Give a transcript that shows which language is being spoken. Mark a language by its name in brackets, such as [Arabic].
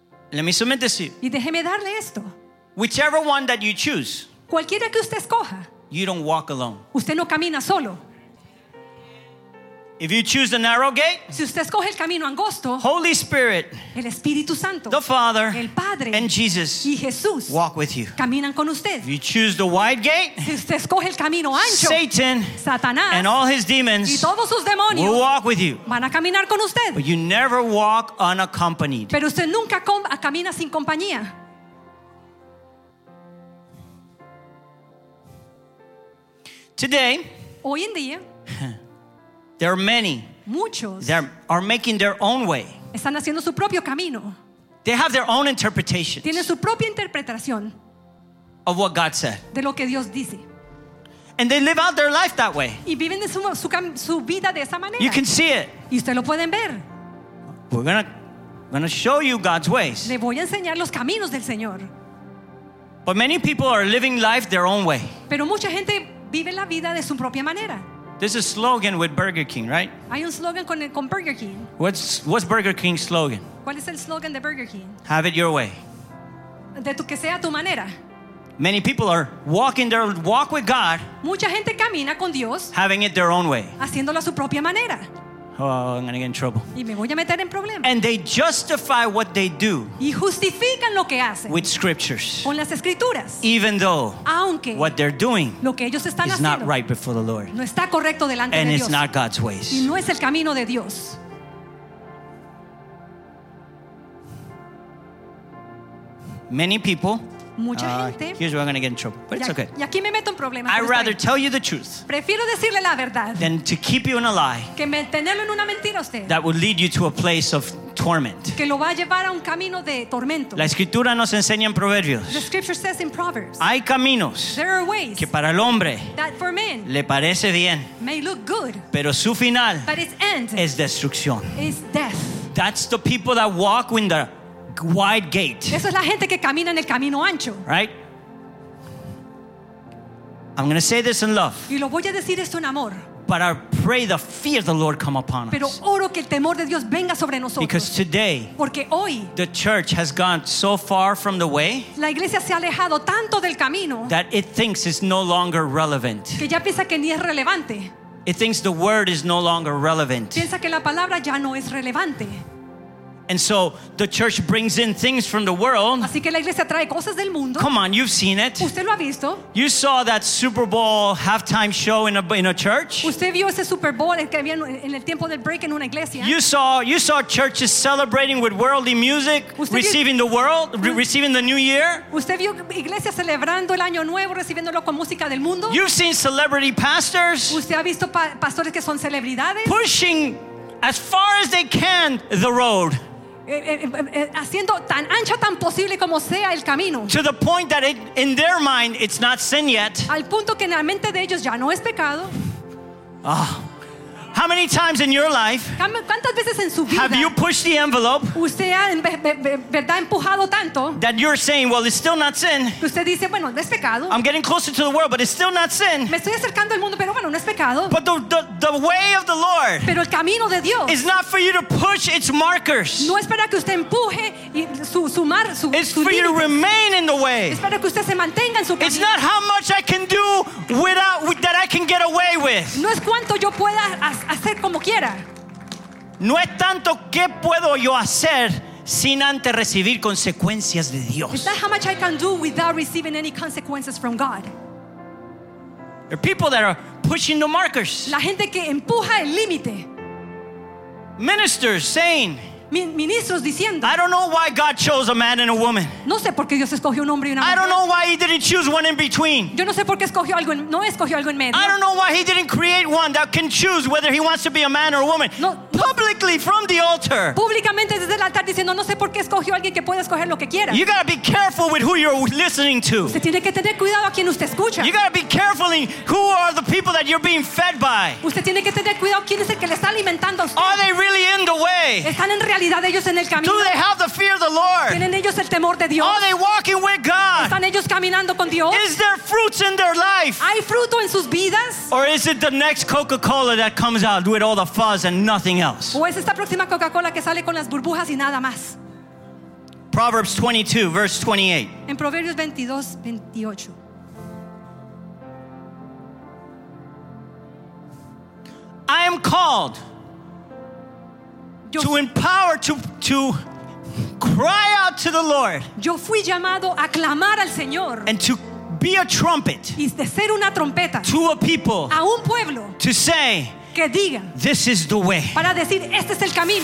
[English] Let me submit this to you. [Spanish] Y déjeme darle esto. [English] Whichever one that you choose. [Spanish] Cualquiera que usted escoja. [English] You don't walk alone. [Spanish] Usted no camina solo. [English] If you choose the narrow gate. [Spanish] Si usted escoge el camino angosto. [English] Holy Spirit. [Spanish] El Espíritu Santo. [English] The Father. [Spanish] El Padre. [English] And Jesus. [Spanish] Y Jesús. [English] Walk with you. [Spanish] Caminan con usted. [English] If you choose the wide gate. [Spanish] Si usted escoge el camino ancho. [English] Satan. [Spanish] Satanás. [English] And all his demons. [Spanish] Y todos sus demonios. [English] Will walk with you. [Spanish] Van a caminar con usted. [English] But you never walk unaccompanied. [Spanish] Pero usted nunca camina sin compañía. [English] Today, [Spanish] hoy en día, [English] there are many. [Spanish] Muchos [English] that are making their own way. [Spanish] Están haciendo su propio camino. [English] They have their own interpretation. [Spanish] Tienen su propia interpretación [English] of what God said. [Spanish] De lo que Dios dice. [English] And they live out their life that way. [Spanish] Y viven de su vida de esa manera. [English] You can see it. [Spanish] Y ustedes lo pueden ver. [English] We're gonna show you God's ways. [Spanish] Le voy a enseñar los caminos del Señor. [English] But many people are living life their own way. [Spanish] Pero mucha gente vive la vida de su propia manera. [English] This is a slogan with Burger King, right? [Spanish] Hay un slogan con Burger King. [English] What's Burger King's slogan? [Spanish] ¿Cuál es el slogan de Burger King? [English] Have it your way. [Spanish] De tu que sea tu manera. [English] Many people are walking their walk with God. [Spanish] Mucha gente camina con Dios. [English] Having it their own way. [Spanish] Haciéndolo a su propia manera. [English] Oh, I'm gonna get in trouble. [Spanish] Y me voy a meter en problemas. [English] And they justify what they do. [Spanish] Y justifican lo que hacen. [English] With scriptures. [Spanish] Con las escrituras. [English] Even though. [Spanish] Aunque. [English] What they're doing. [Spanish] Lo que ellos están [English] is [Spanish] haciendo. [English] Not right before the Lord. [Spanish] No está correcto delante [English] and [Spanish] de Dios. [English] And it's not God's ways. [Spanish] Y no es el camino de Dios. [English] Many people. [Spanish] Mucha gente. [English] Here's where I'm gonna get in trouble, but it's okay. [Spanish] Y aquí me meto en problemas. [English] I'd rather tell you the truth. [Spanish] Prefiero decirle la verdad. [English] Than to keep you in a lie. [Spanish] Que mantenerlo en una mentira usted. [English] That would lead you to a place of torment. [Spanish] Que lo va a llevar a un camino de tormento. La escritura nos enseña en Proverbios. [English] The scripture says in Proverbs. [Spanish] Hay caminos. [English] There are ways. [Spanish] Que para el hombre. [English] That for men. [Spanish] Le parece bien. [English] May look good. [Spanish] Pero su final. [English] But its end. [Spanish] Es destrucción. [English] Is death. That's the people that walk in the wide gate. [Spanish] Eso es la gente que camina en el camino ancho. [English] Right? I'm going to say this in love. [Spanish] Y lo voy a decir esto en amor. [English] But I pray the fear of the Lord come upon [Spanish] pero [English] us. [Spanish] Pero oro que el temor de Dios venga sobre nosotros. [English] Because today, [Spanish] porque hoy, [English] the church has gone so far from the way. [Spanish] La iglesia se ha alejado tanto del camino. [English] That it thinks it's no longer relevant. [Spanish] Que ya piensa que ni es relevante. [English] It thinks the word is no longer relevant. [Spanish] Piensa que la palabra ya no es relevante. [English] And so the church brings in things from the world. [Spanish] Así que la iglesia trae cosas del mundo. [English] Come on, you've seen it. [Spanish] ¿Usted lo ha visto? [English] You saw that Super Bowl halftime show in a church. [Spanish] ¿Usted vio ese Super Bowl que había en el tiempo del break en una iglesia? [English] You saw churches celebrating with worldly music, receiving the new year. [Spanish] ¿Usted vio iglesias celebrando el año nuevo recibiéndolo con música del mundo? [English] You've seen celebrity pastors. [Spanish] ¿Usted ha visto pastores que son celebridades? [English] Pushing as far as they can, the road. [Spanish] Haciendo tan ancha tan posible como sea el camino. [English] To the point that in their mind, it's not sin yet. [Spanish] Al punto que en la mente de ellos ya no es pecado. [English] Oh. How many times in your life [Spanish] ¿cuántas veces en su vida [English] have you pushed the envelope [Spanish] usted ha verdad empujado tanto [English] that you're saying, well, it's still not sin. [Spanish] Usted dice, bueno, no es pecado. [English] I'm getting closer to the world, but it's still not sin. [Spanish] Me estoy acercando al mundo, pero bueno, no es pecado. [English] But the way of the Lord [Spanish] pero el camino de Dios [English] is not for you to push its markers. [Spanish] No es para que usted empuje su mar, su [English] it's for you to remain in the way. [Spanish] Es para que usted se mantenga en su camino. [English] It's not how much I can do without that I can get away with. [Spanish] No es cuánto yo pueda hacer. Hacer como quiera. No es tanto qué puedo yo hacer sin antes recibir consecuencias de Dios. [English] Is that how much I can do without receiving any consequences from God? There are people that are pushing the markers. [Spanish] La gente que empuja el límite. [English] Ministers saying. [Spanish] Ministros diciendo. [English] I don't know why God chose a man and a woman. [Spanish] No sé por qué Dios escogió un hombre y una mujer. [English] I don't know why He didn't choose one in between. [Spanish] Yo no sé por qué escogió algo, no escogió algo en medio. [English] I don't know why He didn't create one that can choose whether He wants to be a man or a woman. [Spanish] No, [English] publicly [Spanish] no. [English] From the altar. [Spanish] Públicamente desde el altar diciendo no sé por qué escogió alguien que pueda escoger lo que quiera. [English] You gotta be careful with who you're listening to. [Spanish] Se tiene que tener cuidado a quien usted escucha. [English] You gotta be careful in who are the people that you're being fed by. [Spanish] Usted tiene que tener cuidado quién es el que le está alimentando. [English] Are they really in the way? [Spanish] Están en realidad. [English] Do they have the fear of the Lord? [Spanish] ¿Tienen ellos el temor de Dios? [English] Are they walking with God? [Spanish] ¿Están ellos caminando con Dios? [English] Is there fruits in their life? [Spanish] ¿Hay fruto en sus vidas? [English] Or is it the next Coca-Cola that comes out with all the fuzz and nothing else? [Spanish] ¿O es esta próxima Coca-Cola que sale con las burbujas y nada más? [English] Proverbs 22, verse 28. [Spanish] En Proverbios 22:28. [English] I am called. To empower, to cry out to the Lord. [Spanish] Yo fui llamado a clamar al Señor. [English] And to be a trumpet. [Spanish] Y de ser una trompeta. [English] To a people. [Spanish] A un pueblo. [English] To say. [Spanish] Que diga. [English] This is the way. [Spanish] Para decir este es el camino.